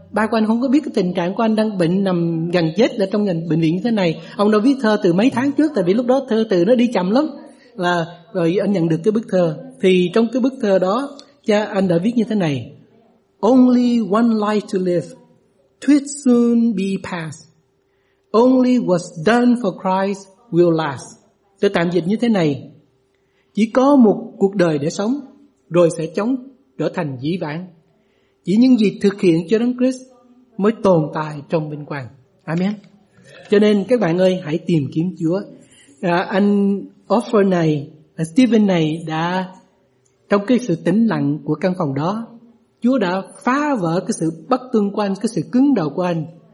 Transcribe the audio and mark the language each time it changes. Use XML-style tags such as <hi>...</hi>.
<vi>Ba của anh không có biết cái tình trạng của anh đang bệnh nằm gần chết ở trong bệnh viện như thế này. Ông đã viết thơ từ mấy tháng trước, tại vì lúc đó thơ từ nó đi chậm lắm. Rồi anh nhận được cái bức thư. Thì trong cái bức thư đó, cha anh đã viết như thế này:</vi> <en>Only one life to live, twit soon be passed. Only what's done for Christ will last.</en> <vi>Tôi tạm dịch như thế này: chỉ có một cuộc đời để sống, rồi sẽ chóng trở thành dĩ vãng. Chỉ những gì thực hiện cho Đấng Christ mới tồn tại trong vinh quang. Amen. Cho nên các bạn ơi, hãy tìm kiếm Chúa. Anh Offer này, Stephen này đã, trong cái sự tĩnh lặng của căn phòng đó, Chúa đã phá vỡ cái sự bất tương của anh, cái sự cứng đầu của anh.</vi>